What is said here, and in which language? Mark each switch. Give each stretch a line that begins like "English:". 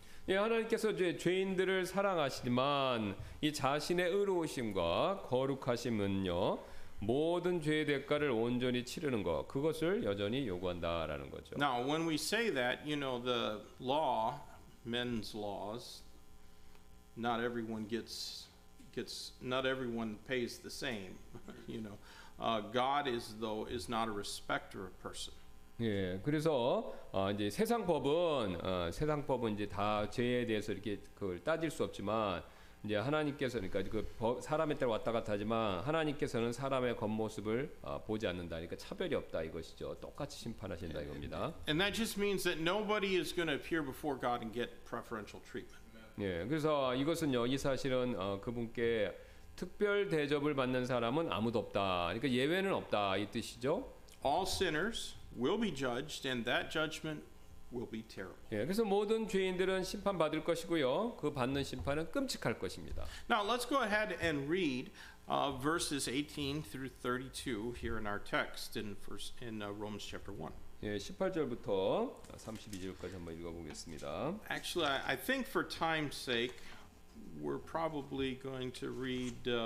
Korean: 예, 하나님께서 죄인들을 사랑하시지만 이 자신의 의로우심과 거룩하심은요 모든 죄의 대가를 온전히 치르는 것, 그것을 여전히 요구한다라는 거죠.
English: Now, when we say that, you know, the law, men's laws, not everyone gets not everyone pays the same, you know. God is though is not a respecter of person.
Korean: 예, 그래서 이제 세상 법은 이제 다 죄에 대해서 이렇게 그걸 따질 수 없지만 이제 하나님께서는 그러니까 그 사람에 따라 왔다 갔다 하지만 하나님께서는 사람의 겉모습을 보지 않는다. 그러니까 차별이 없다 이것이죠. 똑같이 심판하신다 이겁니다.
English: And that just means that nobody is going to appear before God and get preferential treatment.
Korean: 예, 그래서 이것은요, 이 사실은 그분께 특별 대접을 받는 사람은 아무도 없다. 그러니까 예외는 없다 이 뜻이죠.
English: All sinners will be judged, and that judgment will be terrible.
Korean: 예, 그래서 모든 죄인들은 심판 받을 것이고요, 그 받는 심판은 끔찍할 것입니다.
English: Now let's go ahead and read verses 18 through 32 here in our text in Romans chapter 1.
Korean: 예, 18절부터 32절까지 한번 읽어보겠습니다.
English: Actually, I think for time's sake, we're probably going to read.